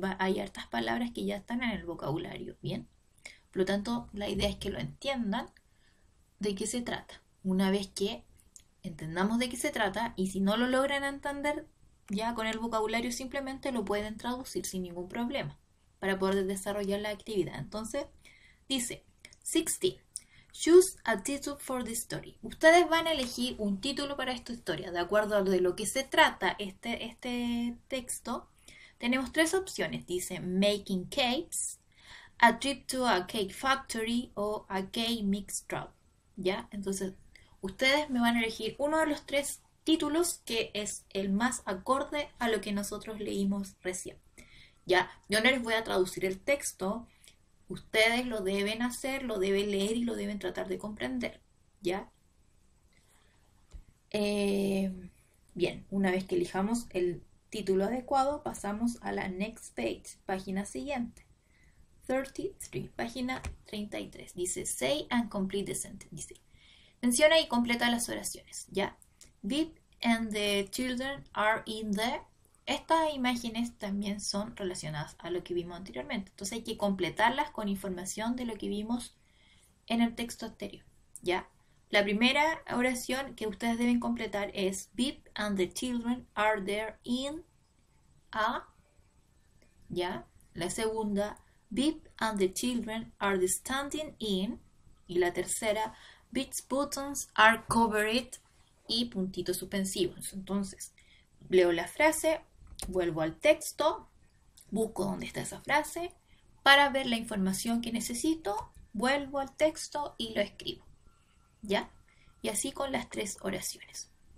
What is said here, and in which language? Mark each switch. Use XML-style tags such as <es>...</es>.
<es>Hay hartas palabras que ya están en el vocabulario, bien. Por lo tanto, la idea es que lo entiendan de qué se trata. Una vez que entendamos de qué se trata, y si no lo logran entender ya con el vocabulario, simplemente lo pueden traducir sin ningún problema para poder desarrollar la actividad. Entonces, dice 16.</es> <en>Choose a title for the story.</en> <es>Ustedes van a elegir un título para esta historia. De acuerdo a lo de lo que se trata este texto, tenemos tres opciones. Dice Making Cakes, A Trip to a Cake Factory o A Cake Mix Shop. ¿Ya? Entonces, ustedes me van a elegir uno de los tres títulos que es el más acorde a lo que nosotros leímos recién. ¿Ya? Yo no les voy a traducir el texto. Ustedes lo deben hacer, lo deben leer y lo deben tratar de comprender. ¿Ya? Bien, una vez que elijamos el título adecuado, pasamos a la</es> <en>next page,</en> <es>página siguiente. 33, página 33. Dice,</es> <en>say and complete the sentence.</en> <es>Dice, menciona y completa las oraciones. ¿Ya?</es> <en>Beep and the children are in the...</en> <es>Estas imágenes también son relacionadas a lo que vimos anteriormente. Entonces hay que completarlas con información de lo que vimos en el texto anterior. ¿Ya? La primera oración que ustedes deben completar es</es> <en>Beep and the children are there in a...</en> <es>¿Ya? La segunda...</es> <en>Beep and the children are standing in.</en> <es>Y la tercera,</es> <en>Beep's buttons are covered.</en> <es>Y puntitos suspensivos. Entonces, leo la frase, vuelvo al texto, busco dónde está esa frase para ver la información que necesito, vuelvo al texto y lo escribo. ¿Ya? Y así con las tres oraciones.</es>